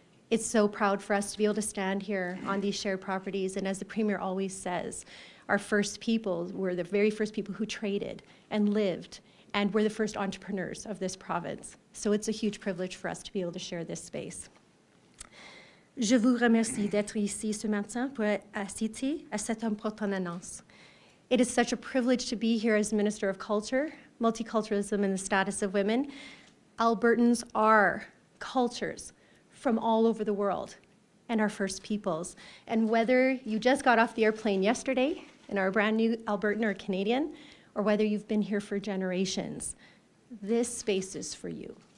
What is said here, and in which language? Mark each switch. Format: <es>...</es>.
<en>It's so proud for us to be able to stand here on these shared properties, and as the Premier always says, our First Peoples were the very first people who traded and lived and were the first entrepreneurs of this province. So it's a huge privilege for us to be able to share this space.</en> <fr>Je vous remercie d'être ici ce matin pour assister à cette importante annonce.</fr> <en>It is such a privilege to be here as Minister of Culture, Multiculturalism and the Status of Women. Albertans are cultures from all over the world and our First Peoples. And whether you just got off the airplane yesterday and are a brand new Albertan or Canadian, or whether you've been here for generations, this space is for you.</en>